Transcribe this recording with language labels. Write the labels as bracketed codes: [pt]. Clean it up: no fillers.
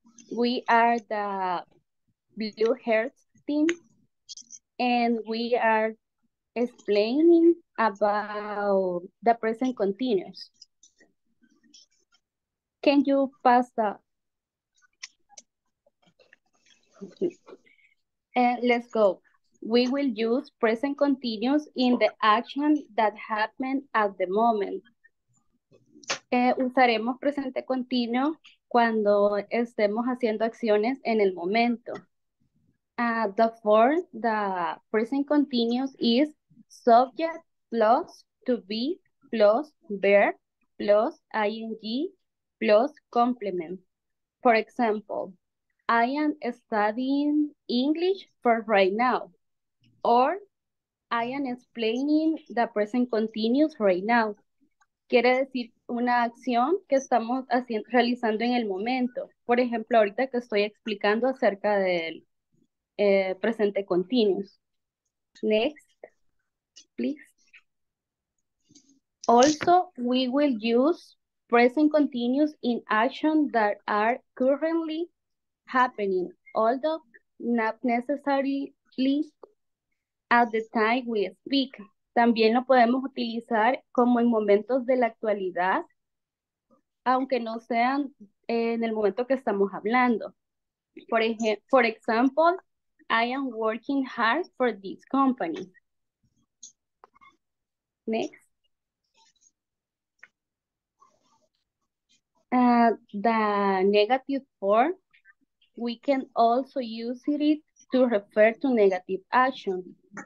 [en] We are the Blue Hearts team, and we are explaining about the present continuous. Can you pass the? Let's go. We will use present continuous in the action that happened at the moment. [es] Usaremos presente continuo cuando estemos haciendo acciones en el momento. [en] The form, the present continuous is subject plus to be plus verb plus ing plus complement. For example, I am studying English for right now, or I am explaining the present continuous right now. [es] Quiere decir una acción que estamos haciendo, realizando en el momento. Por ejemplo, ahorita que estoy explicando acerca del presente continuous. [en] Next, please. Also, we will use present continuous in actions that are currently happening, although not necessarily at the time we speak. [es] También lo podemos utilizar como en momentos de la actualidad, aunque no sean en el momento que estamos hablando. [en] For example, I am working hard for this company. Next. The negative form, we can also use it to refer to negative action.